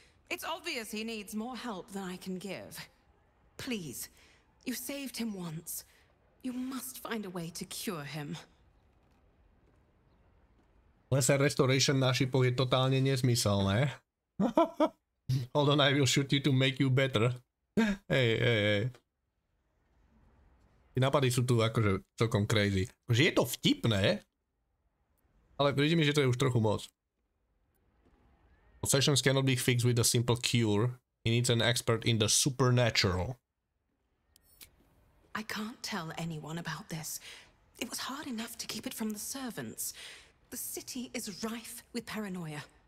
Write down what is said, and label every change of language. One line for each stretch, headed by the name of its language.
English: It's obvious he needs more help than I can give. Please, you saved him once. You must find a way to cure him.
Slovak: Lesser restoration na šipoch je totálne nesmyselné.
English: Hold on, I will shoot you to make you better.
Slovak: Hej. Tí napady sú tu akože celkom crazy. Akože je to vtipné, ale príde mi, že to je už trochu moc.
English: Possessions cannot be fixed with a simple cure. He needs an expert in the supernatural. I can't tell anyone about this. It was hard enough to keep it from the servants. The city is rife with paranoia.